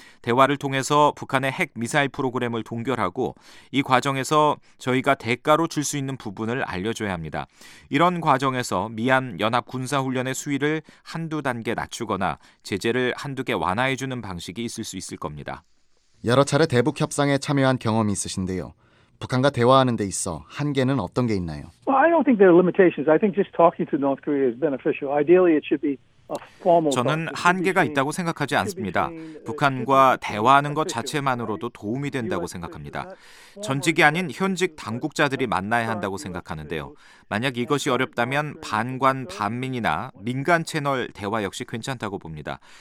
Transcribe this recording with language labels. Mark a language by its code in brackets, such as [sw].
[ko] 대화를 통해서 북한의 핵 미사일 프로그램을 동결하고 이 과정에서 저희가 대가로 줄 수 있는 부분을 알려줘야 합니다. 이런 과정에서 미한 연합 군사훈련의 수위를 한두 단계 낮추거나 제재를 한두 개 완화해주는 방식이 있을 수 있을 겁니다. 여러 차례 대북 협상에 참여한 경험이 있으신데요. 북한과 대화하는 데 있어 한계는 어떤 게 있나요? [en] Well, I don't think there are limitations. I think just talking to North Korea is beneficial. Ideally, it should be [ko] 저는 한계가 있다고 생각하지 않습니다. 북한과 대화하는 것 자체만으로도 도움이 된다고 생각합니다. 전직이 아닌 현직 당국자들이 만나야 한다고 생각하는데요. 만약 이것이 어렵다면 반관 반민이나 민간 채널 대화 역시 괜찮다고 봅니다.